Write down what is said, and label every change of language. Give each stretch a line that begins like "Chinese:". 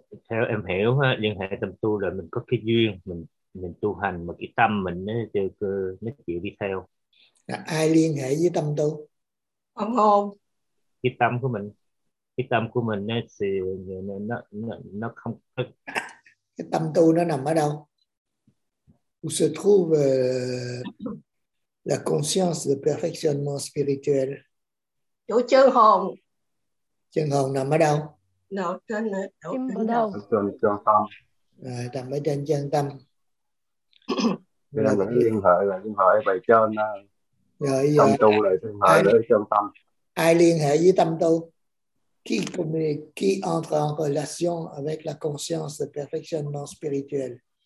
Vietnamese: Theo em hiểu ha, liên hệ tâm tu là mình có cái duyên, mình tu hành mà cái tâm mình nó chịu đi theo. Là ai liên hệ với tâm tu? Phật hồn. Cái tâm của mình ấy, thì nó không cái tâm tu nó nằm ở đâu?
French: Où se trouve la conscience de perfectionnement spirituel?
Vietnamese: Chỗ chân hồn. Chân hồn nằm ở đâu? Nào trên chân tâm. Rồi, trên chân tâm. Rồi, tâm tu là liên hệ với chân tâm. Ai liên hệ với tâm tu?
French: Qui entre en relation avec la conscience de perfectionnement spirituel?